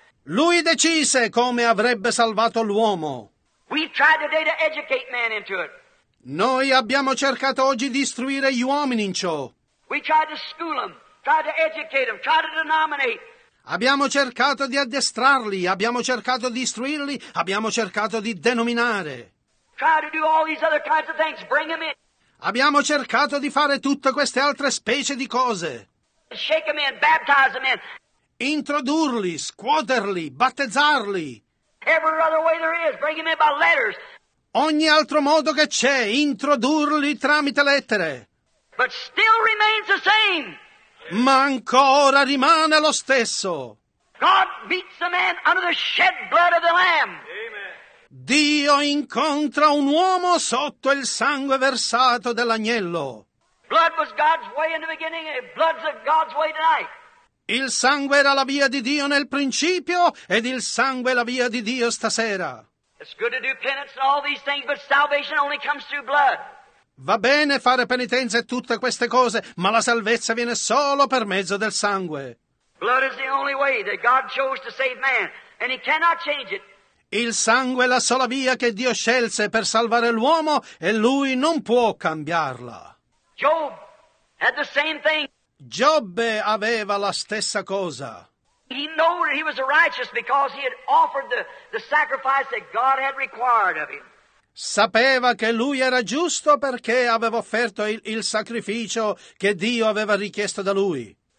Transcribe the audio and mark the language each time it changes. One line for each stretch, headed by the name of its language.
Italian: Lui decise come avrebbe salvato l'uomo.
English: We've tried today to educate man into it.
Italian: Noi abbiamo cercato oggi di istruire gli uomini in ciò.
English: We tried to school them, tried to educate them, tried to denominate.
Italian: Abbiamo cercato di addestrarli, abbiamo cercato di istruirli, abbiamo cercato di denominare.
English: Try to do all these other kinds of things, bring them in.
Italian: Abbiamo cercato di fare tutte queste altre specie di cose.
English: Shake them in, baptize them in.
Italian: Introdurli, scuoterli, battezzarli.
English: Every other way there is, bring them in by letters.
Italian: Ogni altro modo che c'è, introdurli tramite lettere.
English: But still remains the same.
Italian: Ma ancora rimane lo stesso.
English: God meets a man under the shed blood of the Lamb. Amen.
Italian: Dio incontra un uomo sotto il sangue versato dell'agnello.
English: Blood was God's way in the beginning, and blood's God's way tonight.
Italian: Il sangue era la via di Dio nel principio, ed il sangue è la via di Dio stasera.
English: It's good to do penance and all these things, but salvation only comes through blood.
Italian: Va bene fare penitenza e tutte queste cose, ma la salvezza viene solo per mezzo del sangue.
English: Blood is the only way that God chose to save man, and he cannot change it.
Italian: Il sangue è la sola via che Dio scelse per salvare l'uomo e lui non può cambiarla.
English: Job had the same thing.
Italian: Giobbe aveva la stessa cosa.
English: He knew that he was righteous because he had offered the sacrifice that God had required of him.
Italian: Sapeva che lui era giusto perché aveva offerto il sacrificio che Dio aveva richiesto da lui.